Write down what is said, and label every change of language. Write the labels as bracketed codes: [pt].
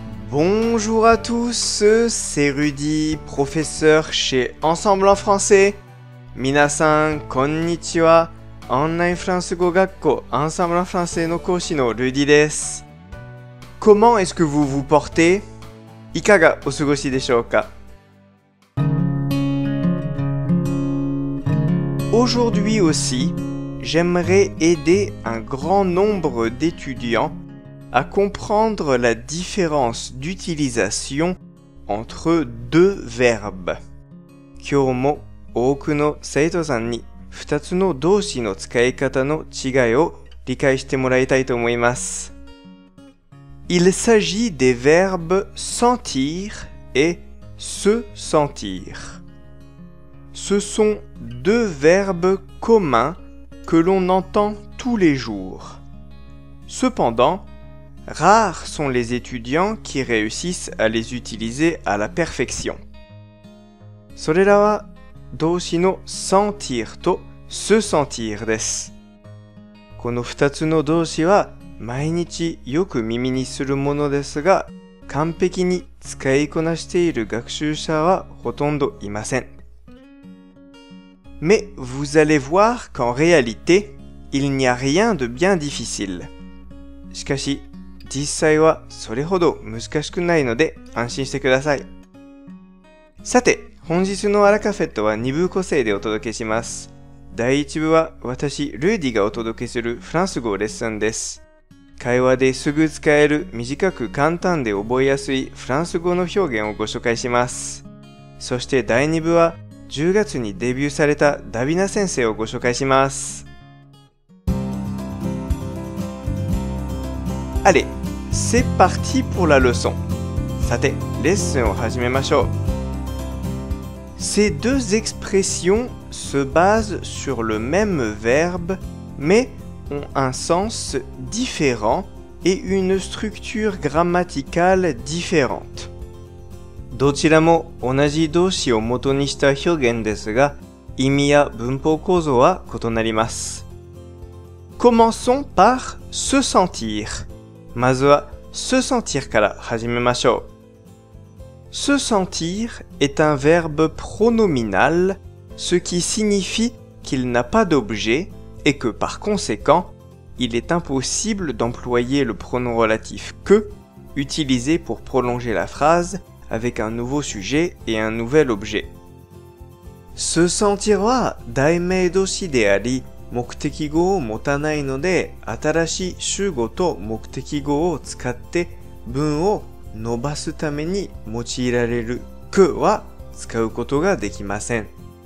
[fr] Bonjour à tous, c'est Rudy, professeur chez Ensemble en français. [ja] 皆さん、こんにちは。オンラインフランス語学校アンサンブルアンフランセの講師のルディです。 [fr] Comment est-ce que vous vous portez? [ja] いかがお過ごしでしょうか? [fr] Aujourd'hui aussi, j'aimerais aider un grand nombre d'étudiants à comprendre la différence d'utilisation entre deux verbes. [ja] 今日も多くの生徒さんに2つの動詞の使い方の違いを理解してもらいたいと思います。 [fr] Il s'agit des verbes sentir et se sentir. Ce sont deux verbes communs que l'on entend tous les jours. Cependant, rares sont les étudiants qui réussissent à les utiliser à la perfection. [ja] それらは動詞の sentir と se sentir です。この二つの動詞は毎日よく耳にするものですが、完璧に使いこなしている学習者はほとんどいません。 [fr] Mais vous allez voir qu'en réalité, il n'y a rien de bien difficile. [ja] しかし、実際はそれほど難しくないので安心してください。さて、本日のアラカフェットは2部構成でお届けします。第1部は私、ルーディがお届けするフランス語レッスンです。会話ですぐ使える短く簡単で覚えやすいフランス語の表現をご紹介します。そして第2部は10月にデビューされたダビナ先生をご紹介します。 [fr] Allez, c'est parti pour la leçon. [ja] さて、レッスンを始めましょう。 [fr] Ces deux expressions se basent sur le même verbe, maisont un sens différent et une structure grammaticale différente. [ja] どちらも同じ動詞を元にした表現ですが、意味や文法構造は異なります。 [fr] Commençons par se sentir. [ja] まずは se sentir から始めましょう。 [fr] Se sentir est un verbe pronominal, ce qui signifie qu'il n'a pas d'objet. Et que par conséquent, il est impossible d'employer le pronom relatif que, utilisé pour prolonger la phrase avec un nouveau sujet et un nouvel objet. [ja] Se sentira 題名動詞であり、目的語を持たないので、新しい主語と目的語を使って文を伸ばすために用いられる que は使うことができません。